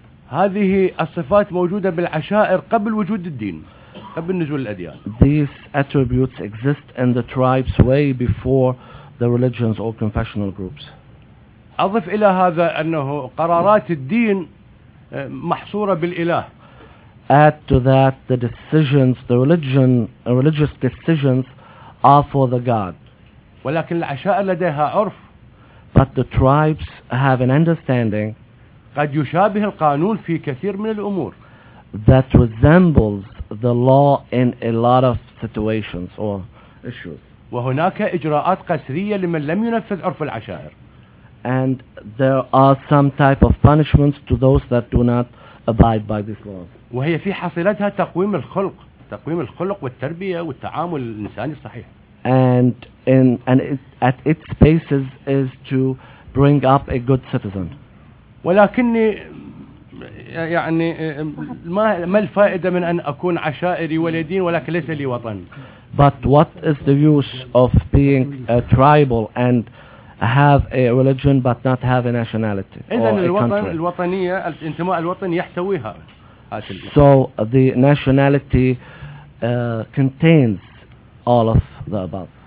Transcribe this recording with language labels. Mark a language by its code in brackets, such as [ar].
[ar] هذه الصفات موجودة بالعشائر قبل وجود الدين. قبل نزول الأديان. [en] These attributes exist in the tribes way before the religions or confessional groups. [ar] أضف إلى هذا أنه قرارات الدين محصورة بالإله. [en] Add to that the decisions, the religion, religious decisions are for the God. [ar] ولكن العشائر لديها عرف. [en] But the tribes have an understanding. [ar] قد يشابه القانون في كثير من الأمور. [en] That resembles the law in a lot of situations or issues. [ar] وهناك إجراءات قسرية لمن لم ينفذ عرف العشائر. [en] And there are some type of punishments to those that do not abide by these laws. [ar] وهي في حصيلتها تقويم الخلق، تقويم الخلق والتربية والتعامل الإنساني الصحيح. [en] And at its basis is to bring up a good citizen. [ar] ولكني يعني ما الفائدة من أن أكون عشائري ولدين ولكن ليس لي وطن. [en] But what is the use of being a tribal and have a religion but not have a nationality So the nationality contains all of the above.